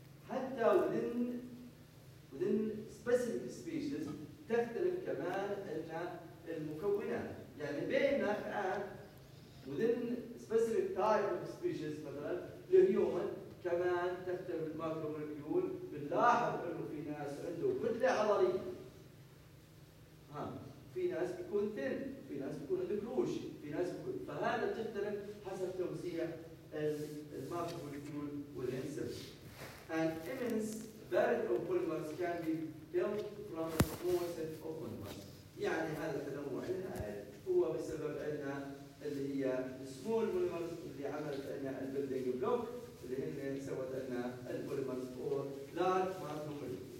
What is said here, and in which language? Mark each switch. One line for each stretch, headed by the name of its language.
Arabic: حتى
English: within specific species
Arabic: تختلف كمان عندنا المكونات، يعني بين نخاع
English: within specific type of species
Arabic: مثلاً للهيومن كمان تختلف الماكرومولكيول. بنلاحظ إنه في ناس عنده كتلة عضلية، ها في ناس بيكون ثين، في ناس بيكون عنده كروش، في ناس بيكون، فهذا تختلف حسب توزيع الماكرومولكيول والإنسان.
English: An immense variety of polymers can be built from a small set of polymers.
Arabic: يعني هذا التنوع هو بسبب إن اللي هي السمول بوليمرز اللي عملت لنا البيلدينج بلوك اللي هن سوت لنا البوليمرز اور لارج ماكرومولكيول.